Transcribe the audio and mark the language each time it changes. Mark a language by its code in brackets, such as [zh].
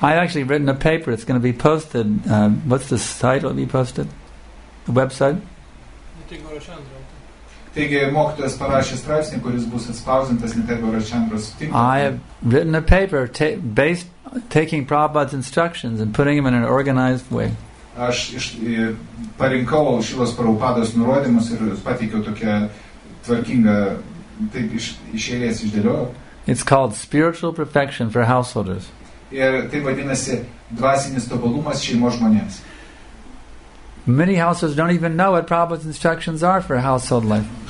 [en] I've actually written a paper, it's going to be posted. What's the title it'll be posted? The website? [lt] Taigi, mokytojas parašė straipsnį, kuris bus atspausintas Nitego Rajachandros tinklapyje. [en] I have written a paper taking Prabhupada's instructions and putting them in an organized way. [lt] Aš parinkau šilos Prabhupados nurodymus ir pateikiau tokią tvarkingą, taip iš eilės išdėliojau. [en] It's called Spiritual Perfection for Householders. [lt] Ir tai vadinasi dvasinis tobulumas šeimos žmonėms. [en] Many households don't even know what Prabhupada's instructions are for household life.